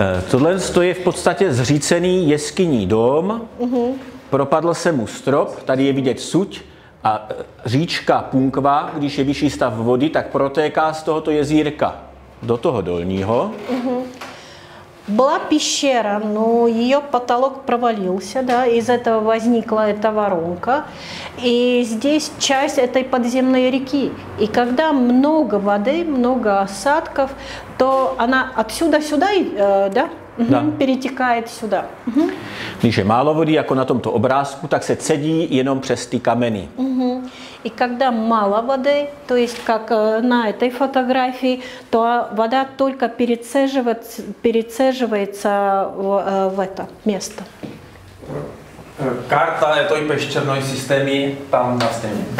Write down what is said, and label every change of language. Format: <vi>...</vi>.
<cs>Tohle je v podstatě zřícený jeskynní dom, propadl se mu strop, tady je vidět suť a říčka Punkva, když je vyšší stav vody, tak protéká z tohoto jezírka do toho dolního. Byla</cs> <ru>pещера, но ее потолок провалился, да, из этого возникла эта воронка. И здесь часть этой подземной реки. И когда много воды, много осадков, то она отсюда сюда, да, да. перетекает сюда.</ru> <cs>Když je málo vody, jako na tomto obrázku, tak se cedí jenom přes ty kameny.</cs> <ru>И когда мало воды, то есть как на этой фотографии, то вода только перецеживается в это место. Карта этой пещерной системы там на стене.</ru>